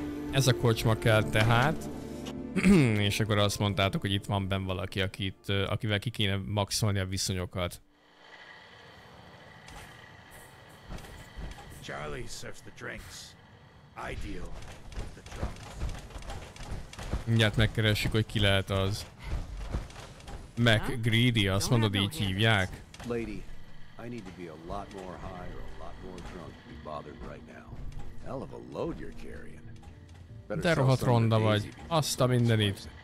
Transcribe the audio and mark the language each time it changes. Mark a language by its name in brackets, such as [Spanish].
[Hungarian] Ez a kocsma kell tehát. És akkor azt mondtátok, hogy itt van benn valaki, akivel ki kéne maxolni a viszonyokat. [English] Charlie serves the drinks. I deal the drugs. [Hungarian] Mindjárt megkeressük, hogy ki lehet az. Mac Greedy, azt mondod, így hívják? [English] Lady, I need to be a lot more high or a lot more drunk to be bothered right now. Hell of a load you're carrying. Better sell some of the easy because of the money.